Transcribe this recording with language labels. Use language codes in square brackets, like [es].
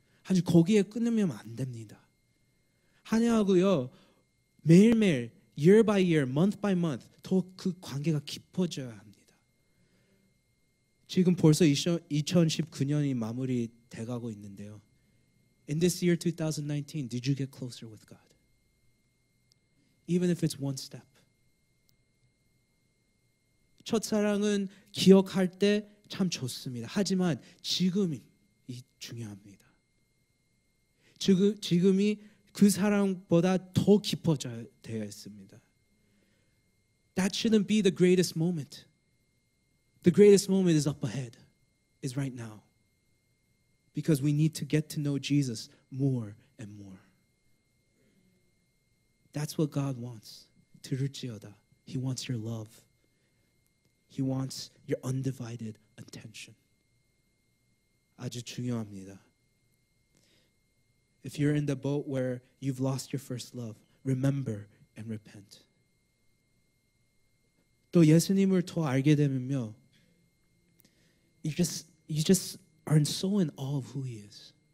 [ko] 하지만 거기에 끊으면 안 됩니다. 하나님하고요 매일매일 [en] year by year, month by month [ko] 더 그 관계가 깊어져야 합니다. 지금 벌써 2019년이 마무리 돼가고 있는데요. [en] In this year 2019, did you get closer with God? Even if it's one step. [ko] 첫사랑은 기억할 때 참 좋습니다. 하지만 지금이 중요합니다. 지금이 그 사랑보다 더 깊어져야 했습니다. [en] That shouldn't be the greatest moment. The greatest moment is up ahead, is right now. Because we need to get to know Jesus more and more. That's what God wants. [ko] 들을지어다. [en] He wants your love. He wants your undivided attention. [ko] 아주 중요합니다. [en] If you're in the boat where you've lost your first love, remember and repent. [ko] 또 예수님을 더 알게 되면요. [en] You just are so in awe of who he is.